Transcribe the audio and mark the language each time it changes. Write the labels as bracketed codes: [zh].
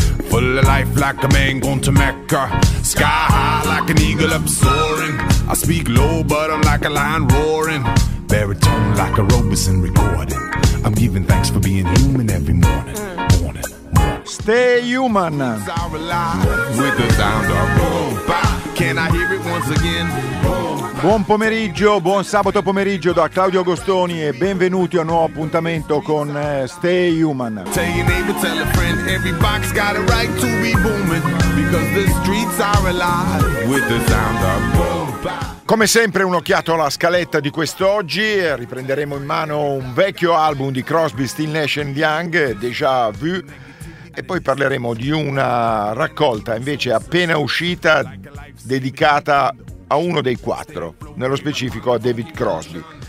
[en] Full of life like a man going to Mecca. Sky high like an eagle up soaring. I speak low but I'm like a lion roaring. Baritone like a Robeson recording. I'm giving thanks for being human every morning. Morning, morning. Stay human. With the sound of boom, bah. Can I hear it once again? [it] Buon pomeriggio, buon sabato pomeriggio da Claudio Agostoni e benvenuti a un nuovo appuntamento con Stay Human. [en] Tell your neighbor, tell a friend, every box got a right to be booming, because the streets are alive with the sound of boom. [it] Come sempre un'occhiata alla scaletta di quest'oggi, riprenderemo in mano un vecchio album di Crosby, Stills, Nash & Young, Déjà Vu, e poi parleremo di una raccolta invece appena uscita dedicata a uno dei quattro, nello specifico a David Crosby.